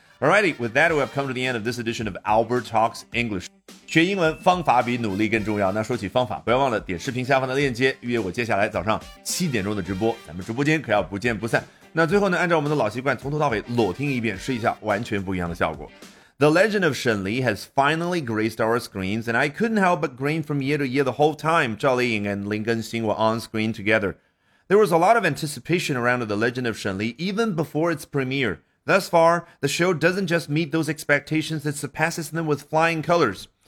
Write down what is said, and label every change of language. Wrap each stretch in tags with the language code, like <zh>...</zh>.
<en>Alrighty, with that we have come to the end of this edition of Albert Talks English。</en> <zh>学英文方法比努力更重要，那说起方法不要忘了点视频下方的链接预约我接下来早上7点钟的直播，咱们直播间可要不见不散。那最后呢，按照我们的老习惯从头到尾裸听一遍，试一下完全不一样的效果。</zh> <en>The legend of Shen Li has finally graced our screens, and I couldn't help but grin from year to year the whole time Zhao Liying and Lin Gengxing were on screen together. There was a lot of anticipation around The Legend of Shen Li even before its premiere. Thus far, the show doesn't just meet those expectations, it surpasses them with flying colors.</en>